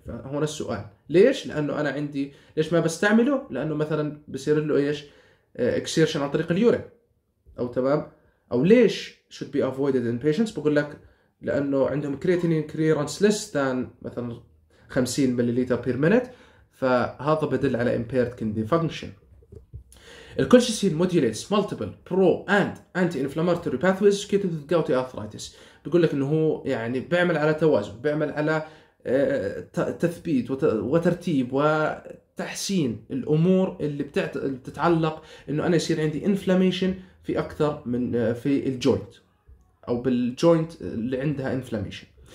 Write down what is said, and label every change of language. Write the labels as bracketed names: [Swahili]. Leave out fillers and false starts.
[Arabic] فهون السؤال ليش؟ لانه انا عندي، ليش ما بستعمله؟ لانه مثلا بصير له ايش اكسيرشن عن طريق اليورين، او تمام، او ليش [English] should be avoided in patients؟ [Arabic] بقول لك لانه عندهم [English] creatinine clearance less than [Arabic] مثلا 50 مليليتر per minute، فهذا بدل على [English] impaired kidney function. الكولشيسين modulates multiple pro and anti-inflammatory pathways associated with gouty arthritis. [Arabic] بقول لك انه هو يعني بيعمل على توازن، بيعمل على تثبيت وترتيب وتحسين الامور اللي بتتعلق انه انا يصير عندي inflammation في اكثر من في الجوينت او بالجوينت اللي عندها انفلاميشن.